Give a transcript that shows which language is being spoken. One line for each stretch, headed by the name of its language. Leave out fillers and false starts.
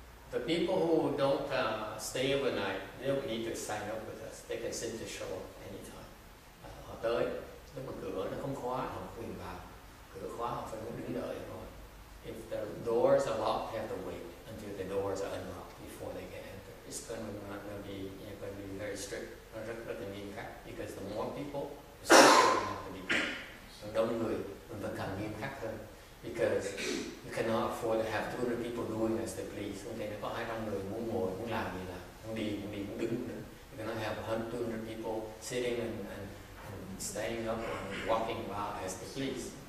English: The people who don't stay overnight, they don't need to sign up with us. They can simply show up anytime.
Vietnamese: Họ tới, nếu mà cửa nó không khóa, họ quyền vào. Cửa khóa, họ phải muốn đứng đợi thôi.
English: If the doors are locked, they have to wait until the doors are unlocked before they can enter. It's going to be very strict.
Vietnamese: Nó rất là nghiêm khắc.
English: Because the more people, the stricter you have to be.
Vietnamese: Đông người, mình phải càng nghiêm khắc hơn.
English: Because you cannot afford to have 200 people doing as they please.
Vietnamese: Okay, nếu có 200 người muốn ngồi, muốn làm gì là, muốn đi, muốn đứng nữa.
English: You cannot have 200 people sitting and staying up and walking about as they please.